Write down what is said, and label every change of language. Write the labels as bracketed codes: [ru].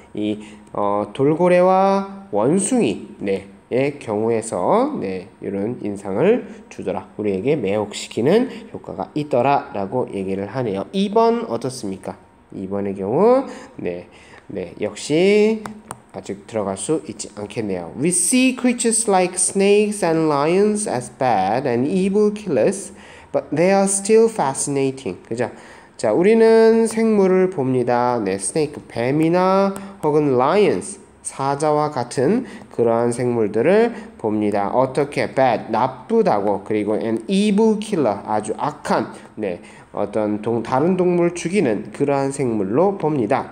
[ko] 이 돌고래와 원숭이, 네. 의 경우에서 네, 이런 인상을 주더라. 우리에게 매혹시키는 효과가 있더라 라고 얘기를 하네요. 2번 어떻습니까? 2번의 경우 네, 네, 역시 아직 들어갈 수 있지 않겠네요. [en] We see creatures like snakes and lions as bad and evil killers, but they are still fascinating. [ko] 그죠? 자, 우리는 생물을 봅니다. 네, 스네이크, 뱀이나 혹은 lions, 사자와 같은 그러한 생물들을 봅니다. 어떻게 bad, 나쁘다고, 그리고 [en] an evil killer, [ko] 아주 악한 네, 어떤 다른 동물 죽이는 그러한 생물로 봅니다.